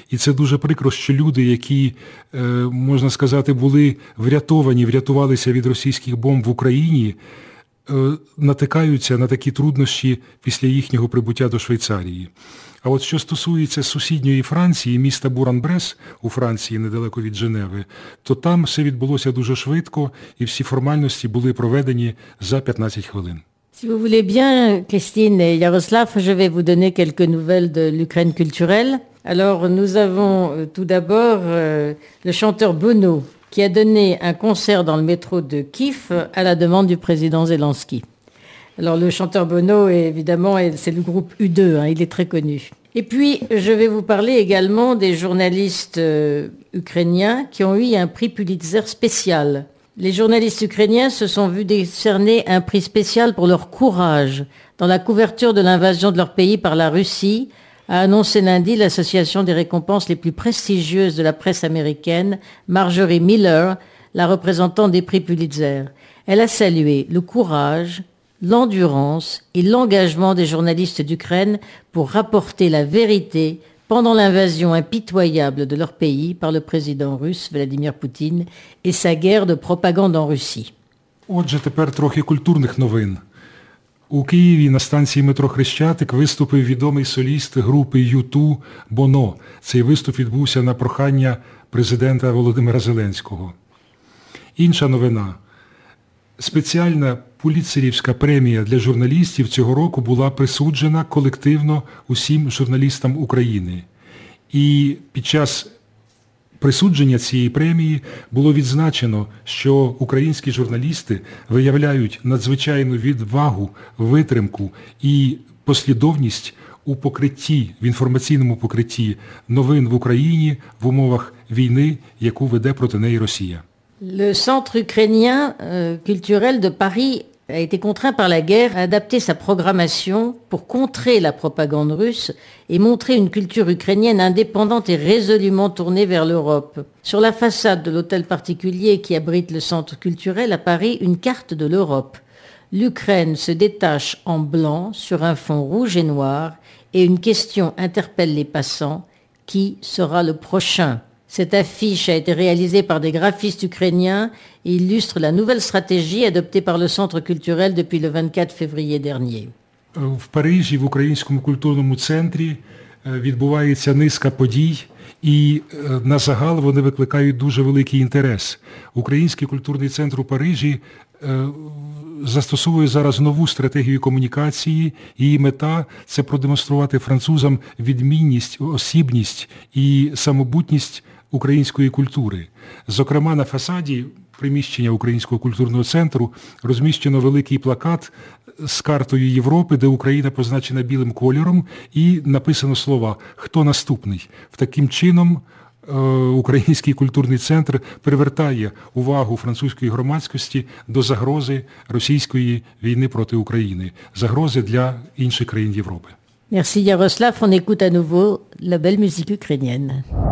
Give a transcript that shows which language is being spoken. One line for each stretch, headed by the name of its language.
Ukrainian: І це дуже прикро, що люди, які, можна сказати, були врятовані, врятувалися від російських бомб в Україні, натикаються на такі труднощі після їхнього прибуття до Швейцарії. А от що стосується сусідньої Франції, міста Буран-Брес у Франції, недалеко від Женеви, то там все відбулося дуже швидко, і всі формальності були проведені за 15 хвилин.
French: Si vous voulez bien, Christine et Yaroslav, je vais vous donner quelques nouvelles de l'Ukraine culturelle. Alors, nous avons tout d'abord le chanteur Bono, qui a donné un concert dans le métro de Kiev à la demande du président Zelensky. Alors, le chanteur Bono, évidemment, c'est le groupe U2, hein, il est très connu. Et puis, je vais vous parler également des journalistes ukrainiens qui ont eu un prix Pulitzer spécial. Les journalistes ukrainiens se sont vus décerner un prix spécial pour leur courage dans la couverture de l'invasion de leur pays par la Russie, a annoncé lundi l'association des récompenses les plus prestigieuses de la presse américaine, Marjorie Miller, la représentante des prix Pulitzer. Elle a salué le courage, l'endurance et l'engagement des journalistes d'Ukraine pour rapporter la vérité pendant l'invasion impitoyable de leur pays par le président russe Vladimir Poutine et sa guerre de propagande en Russie.
Ukrainian: Отже, тепер трохи культурних новин. У Києві на станції метро Хрещатик виступив відомий соліст групи U2 Bono. Цей виступ відбувся на прохання президента Володимира Зеленського. Інша новина. Спеціальна Пуліцерівська премія для журналістів цього року була присуджена колективно усім журналістам України. І під час присудження цієї премії було відзначено, що українські журналісти виявляють надзвичайну відвагу, витримку і послідовність у покритті, в інформаційному покритті новин в Україні в умовах війни, яку веде проти неї Росія.
French: Le Centre ukrainien culturel de Paris a été contraint par la guerre à adapter sa programmation pour contrer la propagande russe et montrer une culture ukrainienne indépendante et résolument tournée vers l'Europe. Sur la façade de l'hôtel particulier qui abrite le Centre culturel à Paris, une carte de l'Europe. L'Ukraine se détache en blanc sur un fond rouge et noir et une question interpelle les passants. Qui sera le prochain ? Cette affiche a été réalisée par des graphistes ukrainiens et illustre la nouvelle stratégie adoptée par le Centre culturel depuis le 24 février dernier.
Ukrainian: В Парижі, в українському культурному центрі, відбувається низка подій, і на загал вони викликають дуже великий інтерес. Український культурний центр у Парижі застосовує зараз нову стратегію комунікації. Її мета – це продемонструвати французам відмінність, осібність і самобутність української культури. Зокрема, на фасаді приміщення Українського культурного центру розміщено великий плакат з картою Європи, де Україна позначена білим кольором, і написано слова «Хто наступний?». Таким чином Український культурний центр привертає увагу французької громадськості до загрози російської війни проти України, загрози для інших країн Європи.
French: Merci Yaroslav, on écoute à nouveau la belle musique ukrainienne.